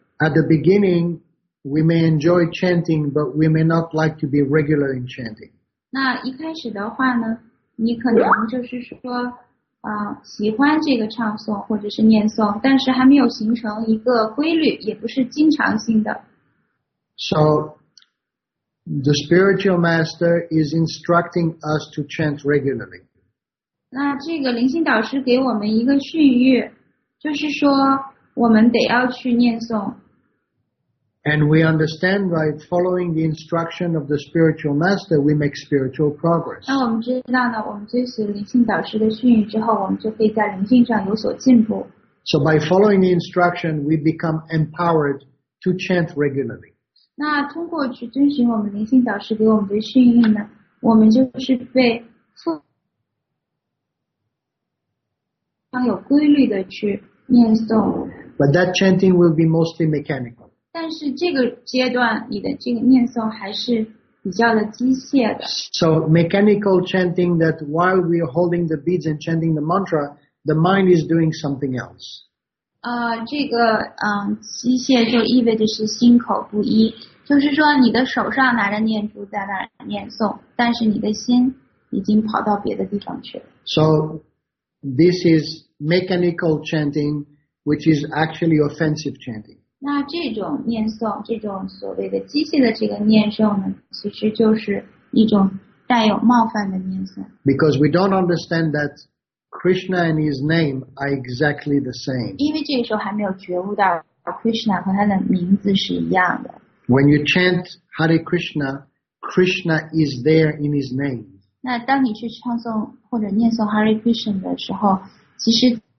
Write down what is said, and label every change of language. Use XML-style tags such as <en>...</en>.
<en>At the beginning, we may enjoy chanting, but we may not like to be regular in chanting.</en> <zh>那一开始的话呢你可能就是说喜欢这个唱诵或者是念诵但是还没有形成一个规律也不是经常性的。</zh> <en>So, the spiritual master is instructing us to chant regularly.</en> <zh>那这个灵性导师给我们一个训谕就是说我们得要去念诵。</zh> <en>And we understand by following the instruction of the spiritual master, we make spiritual progress.</en> <zh>那我们知道呢，我们遵循灵性导师的训谕之后，我们就可以在灵性上有所进步。</zh> <en>So by following the instruction, we become empowered to chant regularly.</en> <zh>那通过去遵循我们灵性导师给我们的训谕呢，我们就是被非常有规律的去念诵。</zh> <en>But that chanting will be mostly mechanical.</en> <zh>但是这个阶段你的这个念诵还是比较的机械的。</zh> <en>So mechanical chanting that while we are holding the beads and chanting the mantra, the mind is doing something else.</en> <zh>机械就意味着是心口不一。就是说你的手上拿着念珠在那念诵但是你的心已经跑到别的地方去了。</zh> <en>So this is mechanical chanting, which is actually offensive chanting.</en> <zh>那这种念诵这种所谓的机械的这个念诵呢其实就是一种带有冒犯的念诵。</zh> <en>Because we don't understand that Krishna and his name are exactly the same.</en> <zh>因为这个时候还没有觉悟到 Krishna 和他的名字是一样的。</zh> <en>When you chant Hare Krishna, Krishna is there in his name.</en> <zh>那当你去唱诵或者念诵 Hare Krishna 的时候其实</zh>